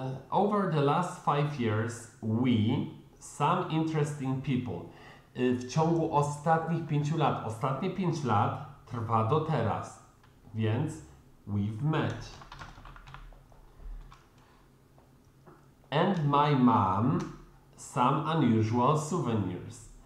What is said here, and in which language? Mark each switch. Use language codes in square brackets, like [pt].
[en] Over the last 5 years, we, some interesting people. [pl] W ciągu ostatnich 5 lat, ostatnie 5 lat trwa do teraz, więc [en] we've met. And my mom, some unusual souvenirs.